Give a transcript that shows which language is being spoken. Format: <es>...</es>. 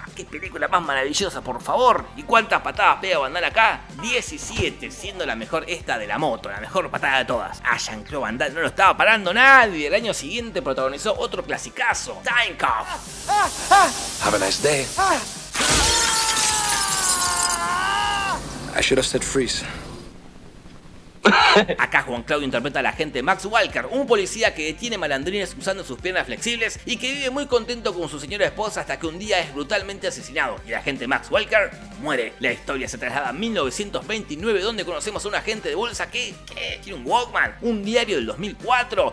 <es>Película más maravillosa, por favor. ¿Y cuántas patadas pega Van Damme acá? 17, siendo la mejor esta de la moto, la mejor patada de todas. A Jean-Claude Van Damme no lo estaba parando nadie. El año siguiente protagonizó otro clasicazo, Time Cop.</es> <en>Have a nice day. I should have said freeze.</en> <es>Acá Juan Claudio interpreta al agente Max Walker, un policía que detiene malandrines usando sus piernas flexibles y que vive muy contento con su señora esposa hasta que un día es brutalmente asesinado y el agente Max Walker muere. La historia se traslada a 1929, donde conocemos a un agente de bolsa que tiene un Walkman, un diario del 2004.</es>